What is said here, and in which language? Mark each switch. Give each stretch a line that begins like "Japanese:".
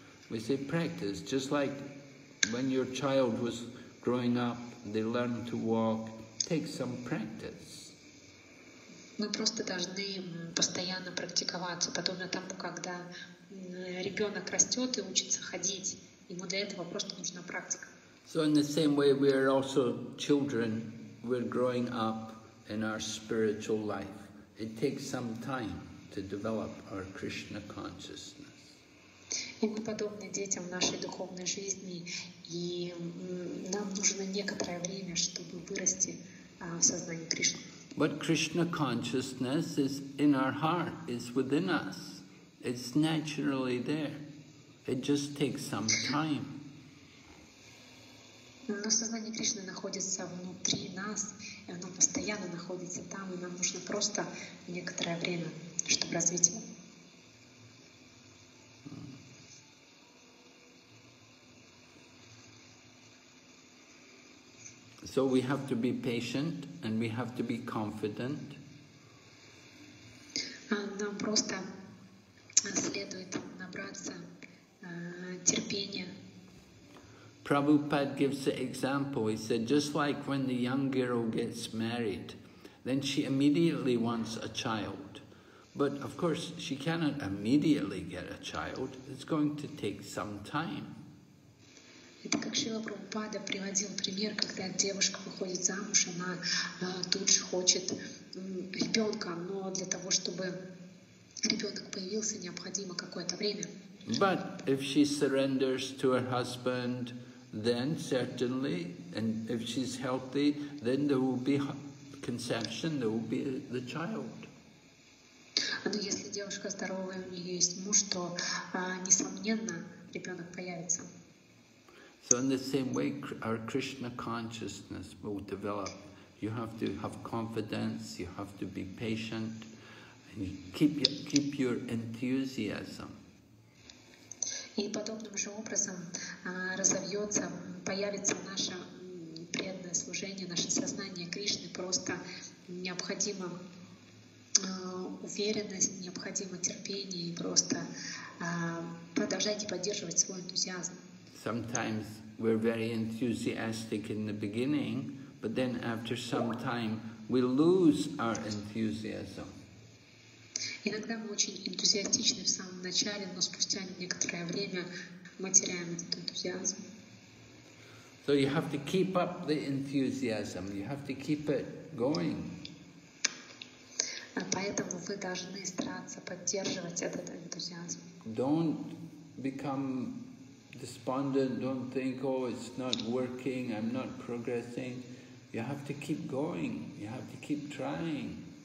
English: We say practice, just like when your child was growing up, they learned to walk. Take some practice.
Russian: Мы просто должны постоянно практиковаться, подобно тому, когда ребенок растет и учится ходить. Ему для этого просто нужна практика.
English: So in the same way, we are also children. We're growing up in our spiritual life. It takes some time to develop our Krishna consciousness.
Russian: И мы подобны детям в нашей духовной жизни, и нам нужно некоторое время, чтобы вырасти в сознании Кришны.
English: But Krishna consciousness is in our heart, is within us. It's naturally there. It just takes some time.
Russian: Но сознание Кришны находится внутри нас, и оно постоянно находится там, и нам нужно просто некоторое время, чтобы развить его.
English: So we have to be patient and we have to be confident.
Russian: Нам просто следует набраться терпения.
English: Prabhupada gives the example. He said, just like when the young girl gets married, then she immediately wants a child. But of course, she cannot immediately get a child. It's going to take some time.
Russian: Это как Шрила Прабхупада приводил пример, когда девушка выходит замуж, она тут же хочет ребенка, но для того, чтобы ребенок появился, необходимо какое-то время.
English: But if she surrenders to her husband, then certainly, and if she's healthy, then there will be conception, there will be the child.
Russian: Но если девушка здоровая, у нее есть муж, то несомненно ребенок появится.
English: So in the same way, our Krishna consciousness will develop. You have to have confidence, you have to be patient, and keep your enthusiasm.
Russian: И подобным же образом разовьется, появится наше преданное служение, наше сознание Кришны. Просто необходима уверенность, необходимо терпение, и просто продолжайте поддерживать свой энтузиазм.
English: Sometimes we're very enthusiastic in the beginning, but then after some time we lose our enthusiasm.
Russian: Иногда мы очень энтузиастичны в самом начале, но спустя некоторое время мы теряем этот энтузиазм.
English: So you have to keep up the enthusiasm, you have to keep it going.
Russian: Поэтому вы должны стараться поддерживать этот энтузиазм.
English: Don't become despondent, don't think, oh, it's not working, I'm not progressing. You have to keep going, you have to keep trying.